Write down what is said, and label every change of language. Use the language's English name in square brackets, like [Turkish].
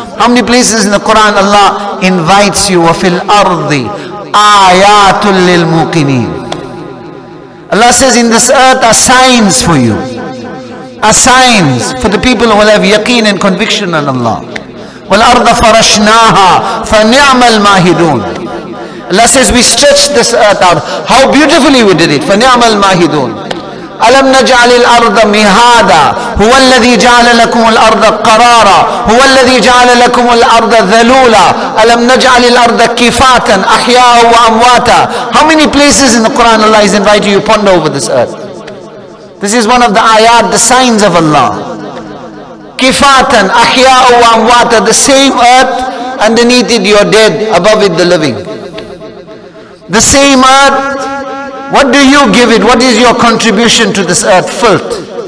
[English] How many places in the Quran Allah invites you? [Arabic] وَفِي الْأَرْضِ آيَاتٌ لِلْمُوقِنِينَ [English] Allah says, in this earth are signs for you. Are signs for the people who will have yaqeen and conviction on Allah. [Arabic] وَالْأَرْضَ فَرَشْنَاهَا فَنِعْمَ الْمَاهِدُونَ [English] Allah says, we stretched this earth out. How beautifully we did it. [Arabic] فَنِعْمَ الْمَاهِدُونَ أَلَمْ نَجْعَلِ الْأَرْضَ مِهَادًا هُوَ الَّذِي جَعَلَ لَكُمُ الْأَرْضَ قَرَارًا هُوَ الَّذِي جَعَلَ لَكُمُ الْأَرْضَ ذَلُولًا أَلَمْ نَجْعَلِ الْأَرْضَ كِفَاتًا أَحْيَاءً وَأَمْوَاتًا [English] How many places in the Quran Allah is inviting you to ponder over this earth? This is one of the ayat, the signs of Allah. [Arabic] كِفَاتًا أَحْيَاءً وَأَمْوَاتًا [English] The same earth, underneath it you are dead, above it the living. The same earth, what do you give it? What is your contribution to this earth? Filth.